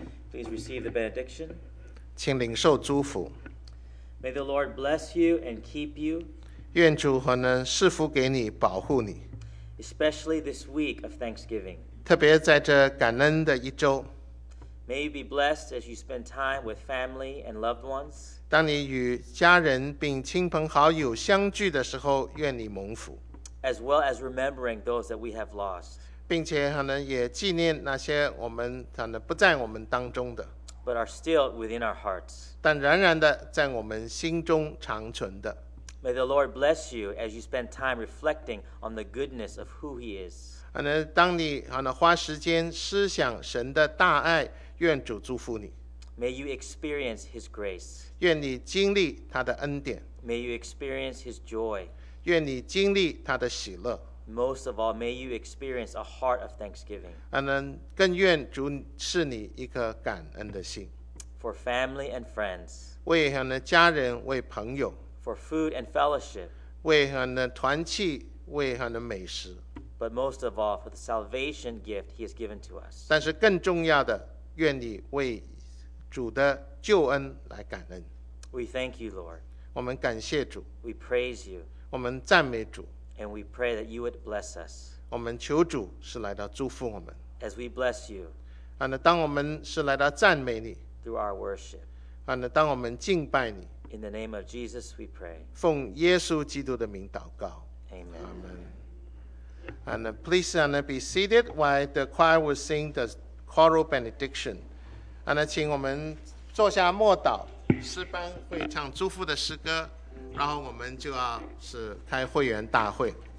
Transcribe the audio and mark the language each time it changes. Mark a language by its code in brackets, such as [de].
[en] Please receive the benediction. [zh] 请领受祝福。 [en] May the Lord bless you and keep you. [zh] 愿主和能赐福给你，保护你。 [en] Especially this week of Thanksgiving. [zh] 特别在这感恩的一周。 [en] May you be blessed as you spend time with family and loved ones. [zh] 当你与家人并亲朋好友相聚的时候，愿你蒙福。 [en] As well as remembering those that we have lost. [zh] 并且可能也纪念那些我们可能不在我们当中的。 [en] But are still within our hearts. [zh] 但仍然的在我们心中长存的。 [en] May the Lord bless you as you spend time reflecting on the goodness of who He is. [zh] 当你花时间思想神的大爱，愿主祝福你。 [en] May you experience His grace. [zh] 愿你经历他的恩典。 [en] May you experience His joy. [zh] 愿你经历他的喜乐。 [en] Most of all, may you experience a heart of thanksgiving. [zh] 更愿主赐你一颗感恩的心。 [en] For family and friends. [zh] 为家人，为朋友。 [en] For food and fellowship. [zh] 为团契，为美食。 [en] But most of all, for the salvation gift He has given to us. [zh] 但是更重要的，愿你为主的救恩来感恩。 [en] We thank you, Lord. [zh] 我们感谢主。 [en] We praise you. [zh] 我们赞美主。 [en] And we pray that you would bless us. [zh] 我们求主是来到祝福我们。 [en] As we bless you. [zh] 当我们是来到赞美你。 [en] Through our worship. [zh] 当我们敬拜你。 [en] In the name of Jesus, we pray. [zh] 奉耶稣基督的名祷告。 [en] Amen. Amen. And please be seated while the choir will sing the choral benediction. [zh] And 请我们坐下默祷。诗班会唱祝福的诗歌，然后我们就要是开会员大会。